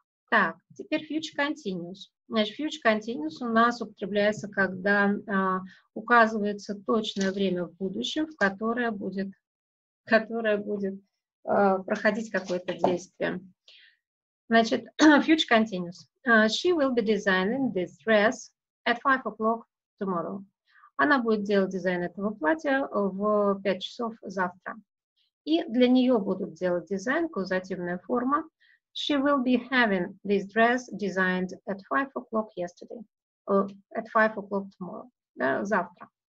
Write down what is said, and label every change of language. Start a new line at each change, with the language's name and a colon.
Russian: Так, теперь future continuous. Значит, future continuous у нас употребляется, когда указывается точное время в будущем, в которое будет проходить какое-то действие. Значит, future continuous.
English: She will be designing this dress at 5 o'clock tomorrow.
Russian: Она будет делать дизайн этого платья в 5 часов завтра. И для нее будут делать дизайн, каузативная форма.
English: She will be having this dress designed at 5 o'clock yesterday, at 5 o'clock tomorrow,
Russian: да, завтра.